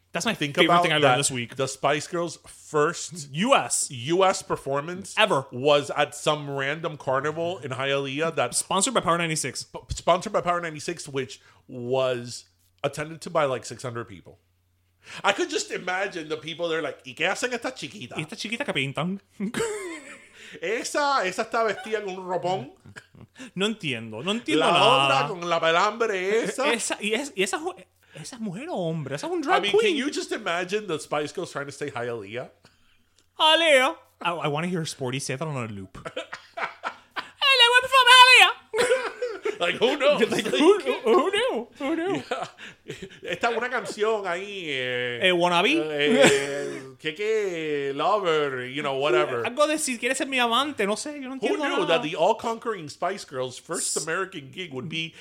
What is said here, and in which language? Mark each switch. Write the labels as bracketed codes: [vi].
[en] That's my favorite thing I learned this week. The Spice Girls' first U.S. performance ever was at some random carnival in Hialeah that... Sponsored by Power 96. Sponsored by Power 96, which was attended to by like 600 people. I could just imagine the people there like, [es] ¿Y qué hacen esta chiquita? ¿Y esta chiquita que pintan? Esa está vestida con un ropón. No entiendo nada. La otra con la pelambre esa. Esa mujer o hombre, esa es un drag queen. [en] I mean, can you just imagine the Spice Girls trying to say Hialeah? Hialeah. I want to hear Sporty say that on a loop. Hello, I'm from Hialeah. Like, who knows? Who knew? Who knew? [es] Yeah. Esta una canción ahí. [en] Wannabe? Kiki, lover, you know, whatever. [es] Algo de si quieres ser mi amante, no sé, yo no entiendo. [en] Who knew that the all-conquering Spice Girls' first American gig would be